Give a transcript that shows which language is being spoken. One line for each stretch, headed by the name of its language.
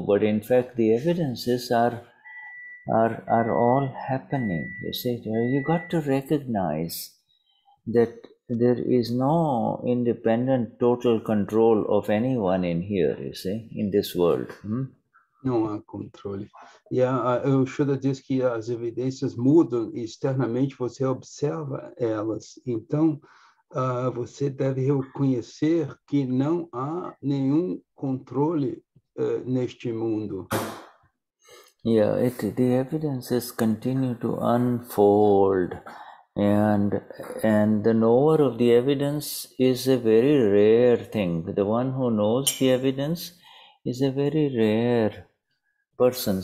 English: But in fact the evidences are all happening, you see. You got to recognize that there is no independent total control of anyone in here, you see, in this world.
Portuguese: Não há controle. E o Shuddha diz que as evidências mudam externamente, você observa elas. Então, você deve reconhecer que não há nenhum controle neste mundo.
English: Yeah, the evidences continue to unfold, and the knower of the evidence is a very rare thing. The one who knows the evidence is a very rare person.